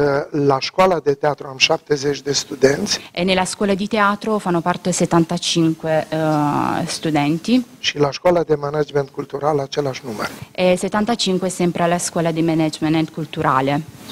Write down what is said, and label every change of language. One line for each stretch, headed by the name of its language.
Romanian: La școala de teatru am 70 de studenți.
Italian: E nella scuola di teatro fanno parte 75 studenti.
Romanian: Și la școala de management cultural același număr.
Italian: E 75 sempre alla scuola di management culturale.